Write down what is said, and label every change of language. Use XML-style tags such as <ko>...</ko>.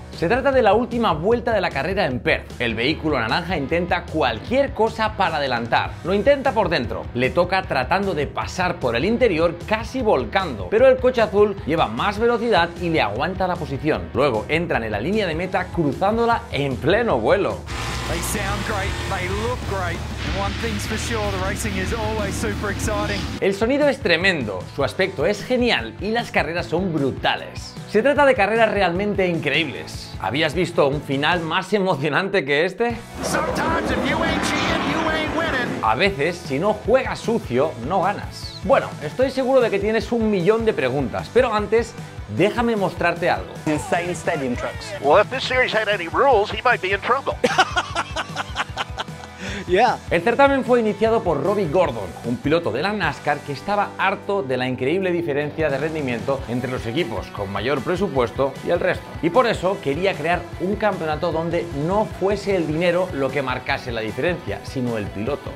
<es>Se trata de la última vuelta de la carrera en Perth. El vehículo naranja intenta cualquier cosa para adelantar. Lo intenta por dentro. Le toca tratando de pasar por el interior, casi volcando. Pero el coche azul lleva más velocidad y le aguanta la posición. Luego entran en la línea de meta cruzándola en pleno vuelo.</es> <en>They sound great, they look great. One thing's for sure, the racing is always super exciting.</en> <es>El sonido es tremendo, su aspecto es genial y las carreras son brutales. Se trata de carreras realmente increíbles. ¿Habías visto un final más emocionante que este?</es> <en>Sometimes if you ain't cheating, you ain't winning.</en> <es>A veces, si no juegas sucio, no ganas. Bueno, estoy seguro de que tienes un millón de preguntas, pero antes, déjame mostrarte algo.</es> <en>Insane stadium trucks. Well, if this series had any rules, he might be in trouble. Yeah.</en> <es>El certamen fue iniciado por Robbie Gordon, un piloto de la NASCAR que estaba harto de la increíble diferencia de rendimiento entre los equipos con mayor presupuesto y el resto. Y por eso quería crear un campeonato donde no fuese el dinero lo que marcase la diferencia, sino el piloto.</es>